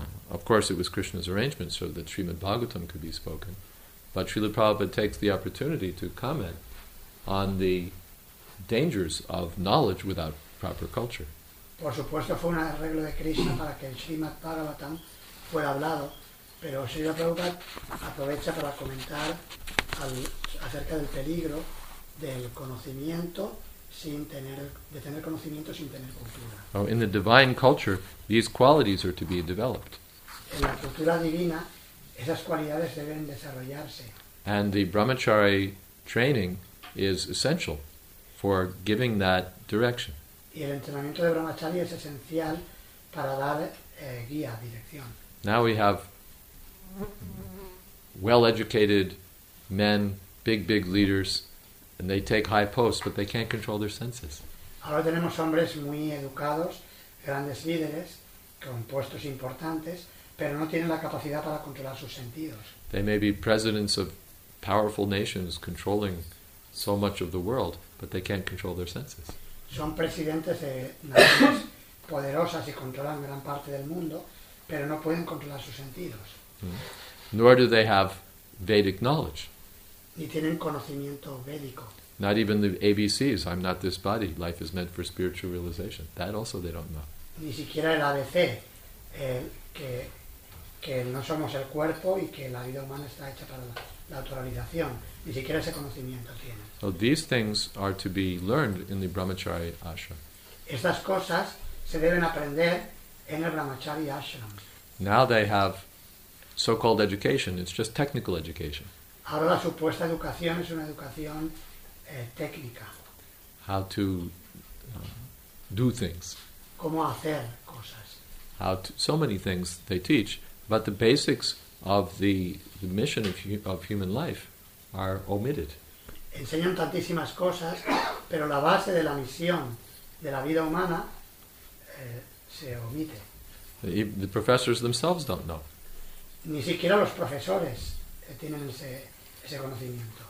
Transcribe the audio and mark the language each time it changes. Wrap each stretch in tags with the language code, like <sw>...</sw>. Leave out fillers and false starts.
<en>Of course, it was Krishna's arrangement so that Srimad Bhagavatam could be spoken, but Srila Prabhupada takes the opportunity to comment on the dangers of knowledge without proper culture.</en> <es>Por supuesto, fue un arreglo de Krishna para que el Srimad Bhagavatam fuera hablado, pero Srila Prabhupada aprovecha para comentar acerca del peligro del conocimiento sin tener, de tener conocimiento sin tener cultura.</es> <en>Oh, in the divine culture, these qualities are to be developed.</en> <es>En la cultura divina, esas cualidades deben desarrollarse.</es> <en>And the brahmachari training is essential for giving that direction.</en> <es>Y el entrenamiento de brahmachari es esencial para dar guía, dirección.</es> <en>Now we have well-educated men, big leaders, and they take high posts, but they can't control their senses.</en> <es>Ahora tenemos hombres muy educados, grandes líderes, con puestos importantes, pero no tienen la capacidad para controlar sus sentidos.</es> <en>They may be presidents of powerful nations controlling so much of the world, but they can't control their senses.</en> <es>Son presidentes de naciones poderosas y controlan gran parte del mundo, pero no pueden controlar sus sentidos.</es> <en>Nor do they have Vedic knowledge.</en> <es>Ni tienen conocimiento védico.</es> <en>Not even the ABCs, I'm not this body, life is meant for spiritual realization. That also they don't know.</en> <es>Ni siquiera el ABC, que no somos el cuerpo y que la vida humana está hecha para la autorrealización. Ni siquiera ese conocimiento tienen.</es> <en>So these things are to be learned in the Brahmachari Ashram.</en> <es>Estas cosas se deben aprender en el Brahmachari Ashram.</es> <en>Now they have so-called education, it's just technical education.</en> <es>Ahora la supuesta educación es una educación técnica.</es> <en>How to do things.</en> <es>Cómo hacer cosas.</es> <en>So many things they teach, but the basics of the mission of human life are omitted.</en> <es>Enseñan tantísimas cosas, pero la base de la misión de la vida humana se omite.</es> <en>The professors themselves don't know.</en> <es>Ni siquiera los profesores tienen ese conocimiento.</es>